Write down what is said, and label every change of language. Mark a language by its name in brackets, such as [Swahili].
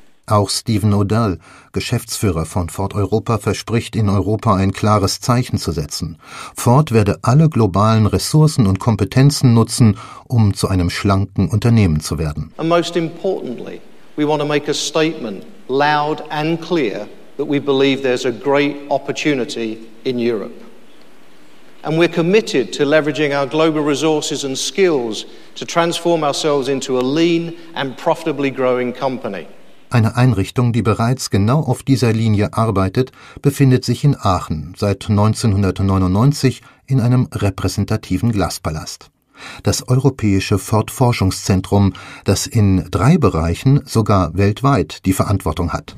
[German] Auch Stephen O'Dell, Geschäftsführer von Ford Europa, verspricht, in Europa ein klares Zeichen zu setzen. Ford werde alle globalen Ressourcen und Kompetenzen nutzen, um zu einem schlanken Unternehmen zu werden. [English] And most importantly, we want to make a statement loud and clear that we believe there's a great opportunity in Europe. And we're committed to leveraging our global resources and skills to transform ourselves into a lean and profitably growing company. [German] Eine Einrichtung, die bereits genau auf dieser Linie arbeitet, befindet sich in Aachen seit 1999 in einem repräsentativen Glaspalast. Das europäische Ford-Forschungszentrum, das in drei Bereichen sogar weltweit die Verantwortung hat.